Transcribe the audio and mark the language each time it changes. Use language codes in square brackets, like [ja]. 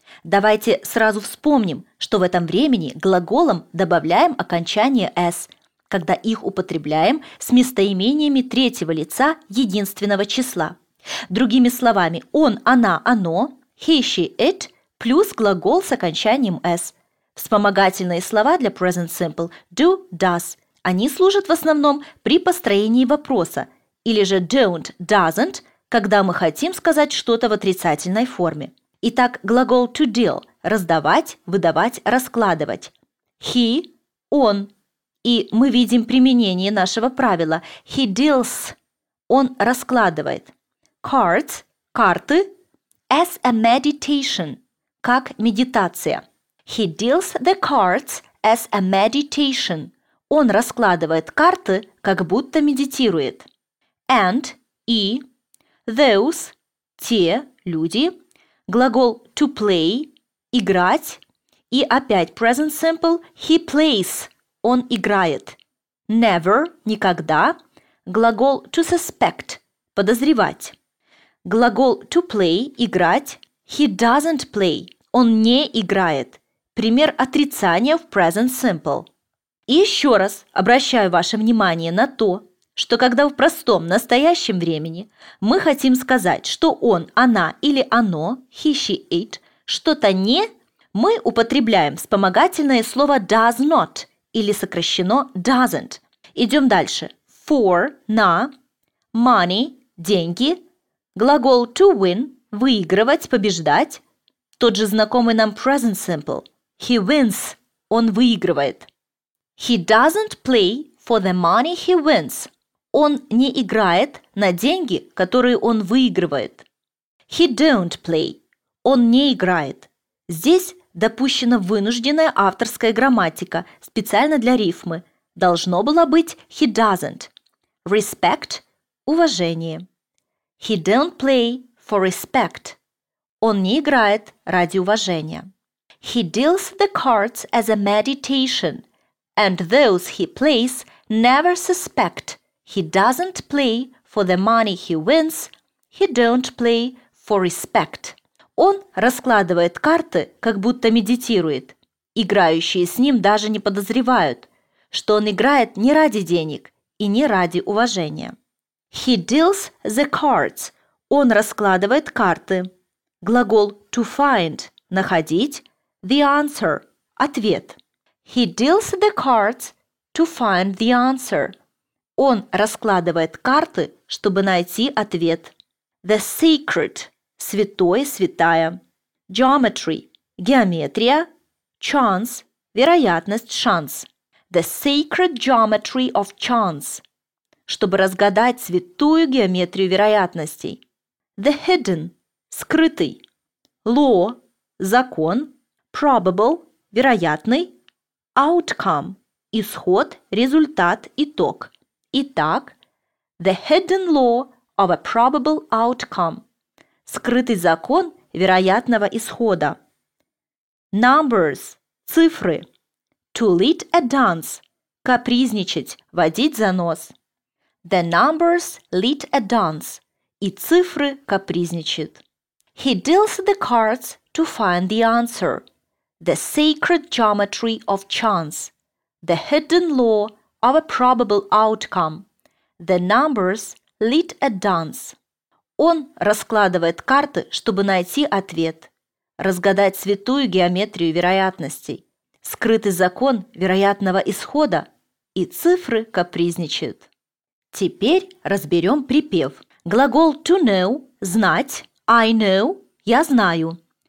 [ru] Давайте сразу вспомним, что в этом времени глаголам добавляем окончание «s», когда их употребляем с местоимениями третьего лица единственного числа. Другими словами, он, она, оно, [en] he, she, it, [ru] плюс глагол с окончанием «s». Вспомогательные слова для Present Simple – «do», «does». Они служат в основном при построении вопроса, или же «don't», «doesn't», когда мы хотим сказать что-то в отрицательной форме. Итак, глагол [en] «to deal» [ru] – «раздавать», «выдавать», «раскладывать». «He» – «он». И мы видим применение нашего правила [en] «he deals» [ru] – «он раскладывает». [en] «Cards» – [ru] «карты» [en] – «as a meditation» – [ru] «как медитация». [en] «He deals the cards as a meditation» – [ru] «он раскладывает карты, как будто медитирует». «And» – «и», «those» – «те», «люди». Глагол [en] «to play» [ru] – «играть». И опять present simple – [en] «he plays» [ru] – «он играет». «Never» – «никогда». Глагол [en] «to suspect» [ru] – «подозревать». Глагол [en] «to play» [ru] – «играть». [en] «He doesn't play» [ru] – «он не играет». Пример отрицания в present simple. И еще раз обращаю ваше внимание на то, что когда в простом настоящем времени мы хотим сказать, что он, она или оно, [en] he, she, it, [ru] что-то не, мы употребляем вспомогательное слово [en] does not [ru] или сокращено doesn't. Идем дальше. For – на, money – деньги, глагол [en] to win [ru] – выигрывать, побеждать, тот же знакомый нам present simple – [en] he wins [ru] – он выигрывает. [en] He doesn't play for the money he wins. [ru] Он не играет на деньги, которые он выигрывает. [en] He don't play. [ru] Он не играет. Здесь допущена вынужденная авторская грамматика, специально для рифмы. Должно было быть [en] he doesn't. [ru] Respect – уважение. [en] He don't play for respect. [ru] Он не играет ради уважения. [en] He deals the cards as a meditation. And those he plays never suspect. He doesn't play for the money he wins. He don't play for respect. [ru] Он раскладывает карты, как будто медитирует. Играющие с ним даже не подозревают, что он играет не ради денег и не ради уважения. [en] He deals the cards. [ru] Он раскладывает карты. Глагол [en] to find [ru] – находить. [en] The answer – ответ. He deals the cards to find the answer. [ru] Он раскладывает карты, чтобы найти ответ. [en] The secret [ru] – святой, святая. Geometry – геометрия. Chance – вероятность, шанс. [en] The secret geometry of chance [ru] – чтобы разгадать святую геометрию вероятностей. [en] The hidden – скрытый. Law – закон. [ru] Probable – вероятный. Outcome – исход, результат, итог. Итак, [en] the hidden law of a probable outcome – [ru] скрытый закон вероятного исхода. Numbers – цифры. [en] To lead a dance [ru] – капризничать, водить за нос. [en] The numbers lead a dance. [ru] И цифры капризничают. [en] He deals the cards to find the answer. The sacred geometry of chance. The hidden law of a probable outcome. The numbers lead a dance. [ru] Он раскладывает карты, чтобы найти ответ. Разгадать святую геометрию вероятностей. Скрытый закон вероятного исхода. И цифры капризничают. Теперь разберем припев. Глагол [en] to know [ru] – знать. [en] I know [ru] – я знаю.